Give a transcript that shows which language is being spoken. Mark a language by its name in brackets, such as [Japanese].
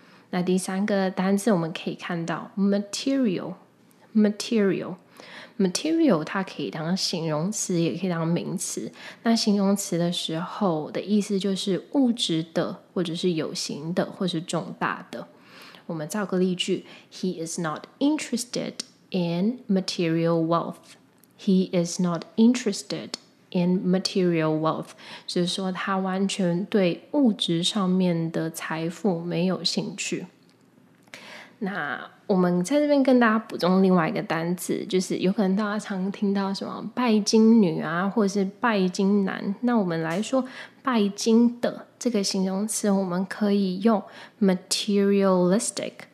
[Chinese] 那第三个单字我们可以看到 material 它可以当形容词也可以当名词。那形容词的时候的意思就是物质的或者是有形的或者是重大的。我们造个例句， [English] He is not interested in material wealth. He is not interested in material wealth. [Chinese] 就是说他完全对物质上面的财富没有兴趣。那我们在这边跟大家补充另外一个单字，就是有可能大家常听到什么拜金女啊或者是拜金男，那我们来说拜金的这个形容词我们可以用 materialistic。